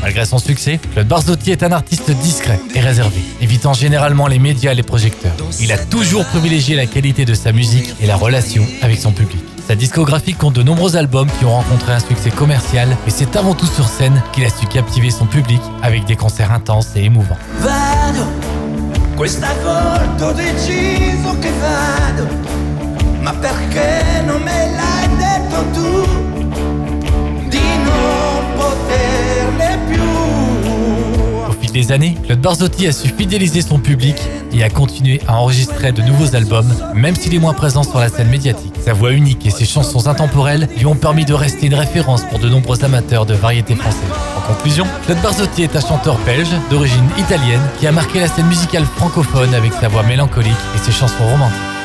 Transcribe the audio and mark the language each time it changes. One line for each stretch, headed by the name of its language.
French: Malgré son succès, Claude Barzotti est un artiste discret et réservé, évitant généralement les médias et les projecteurs. Il a toujours privilégié la qualité de sa musique et la relation avec son public. Sa discographie compte de nombreux albums qui ont rencontré un succès commercial, et c'est avant tout sur scène qu'il a su captiver son public avec des concerts intenses et émouvants.
Italian: Vado. Questa volta ho deciso che vado, ma perché non me l'hai detto tu di non poterne più?
French: Au fil des années, Claude Barzotti a su fidéliser son public et a continué à enregistrer de nouveaux albums, même s'il est moins présent sur la scène médiatique. Sa voix unique et ses chansons intemporelles lui ont permis de rester une référence pour de nombreux amateurs de variétés françaises. En conclusion, Claude Barzotti est un chanteur belge d'origine italienne qui a marqué la scène musicale francophone avec sa voix mélancolique et ses chansons romantiques.